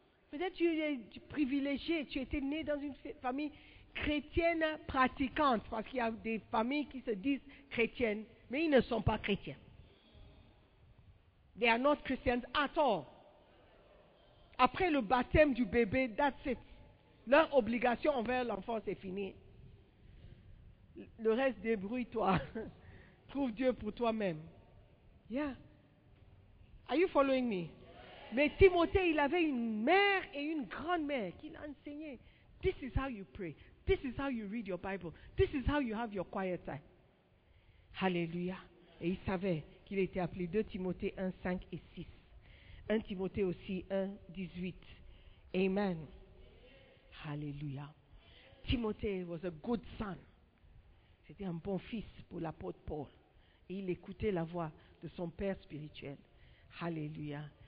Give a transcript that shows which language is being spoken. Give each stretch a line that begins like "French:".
French: Peut-être tu es privilégié, tu étais né dans une famille chrétienne pratiquante, parce qu'il y a des familles qui se disent chrétiennes, mais ils ne sont pas chrétiens.
English: They are not Christians at all.
French: Après le baptême du bébé,
English: that's it.
French: Leur obligation envers l'enfant, c'est fini. Le reste, débrouille-toi. Trouve Dieu pour toi-même.
English: Yeah. Are you following me?
French: Mais Timothée, il avait une mère et une grand-mère qui l'a enseigné.
English: This is how you pray. This is how you read your Bible. This is how you have your quiet time. Hallelujah.
French: Et il savait qu'il était appelé de Timothée 1, 5 et 6. 1 Timothée aussi 1, 18. Amen. Hallelujah.
English: Timothée was a good son.
French: C'était un bon fils pour l'apôtre Paul. Et il écoutait la voix de son père spirituel. Hallelujah.